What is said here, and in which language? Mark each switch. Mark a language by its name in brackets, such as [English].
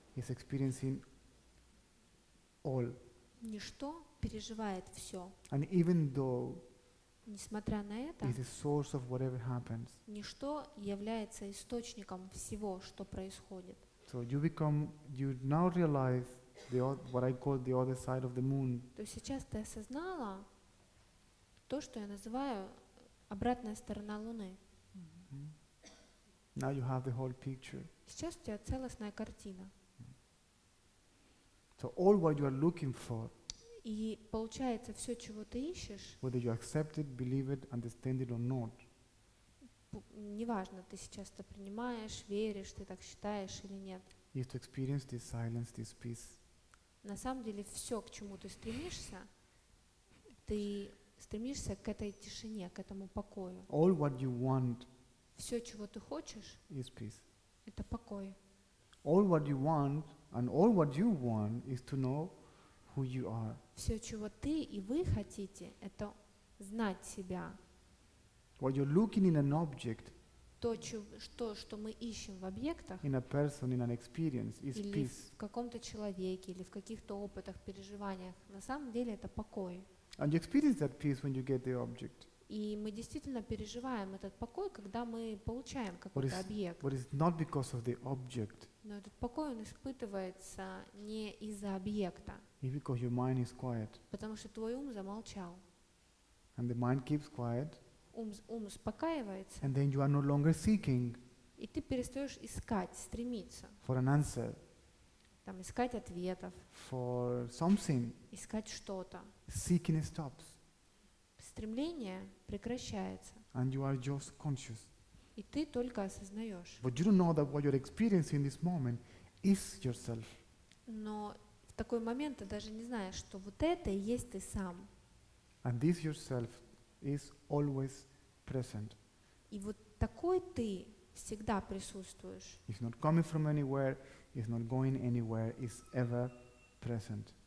[English] He's experiencing all. [Russian] Ничто переживает все. [English] And even though. [Russian] Несмотря на это. [English] He's the source of whatever happens. [Russian] Ничто является источником всего, что происходит. [English] So you become, you now realize. The what I call the other side of the moon. [Russian] То сейчас ты осознала то, что я называю обратная сторона Луны. [English] Now you have the whole picture. [Russian] Сейчас у тебя целостная картина. [English] So all what you are looking for. [Russian] И получается все, чего ты ищешь. [English] Whether you accept it, believe it, understand it or not. [Russian] Неважно, ты сейчас это принимаешь, веришь, ты так считаешь или нет. [English] Is to experience this silence, this peace. [Russian] На самом деле все, к чему ты стремишься к этой тишине, к этому покою. [English] All what you want. [Russian] Все, чего ты хочешь. [English] Is peace. [Russian] Это покой. [English] All what you want and all what you want is to know who you are. [Russian] Все, чего ты и вы хотите, это знать себя. [English] What you're looking in an object. [Russian] То, что мы ищем в объектах, [English] in a person, in an experience, is [Russian] или [English] peace. [Russian] В каком-то человеке, или в каких-то опытах, переживаниях, на самом деле это покой. [English] And you experience that peace when you get the object. [Russian] И мы действительно переживаем этот покой, когда мы получаем какой-то объект. [English] But it's not because of the object. [Russian] Но этот покой он испытывается не из-за объекта. [English] It's because your mind is quiet. [Russian] Потому что твой ум замолчал. [English] And the mind keeps quiet. [Russian] Ум успокаивается. [English] And then you are no longer seeking. [Russian] И ты перестаешь искать, стремиться. [English] For an answer. [Russian] Там искать ответов. [English] For something. [Russian] Искать что-то. [English] Seeking stops. [Russian] Стремление прекращается. [English] And you are just conscious. [Russian] И ты только осознаешь. [English] But you don't know that what you're experiencing in this moment is yourself. [Russian] Но в такой момент ты даже не знаешь, что вот это и есть ты сам. [English] And this yourself. Is always present. [Russian] И вот такой ты всегда присутствуешь. [English] It's not coming from anywhere. It's not going anywhere. It's ever present.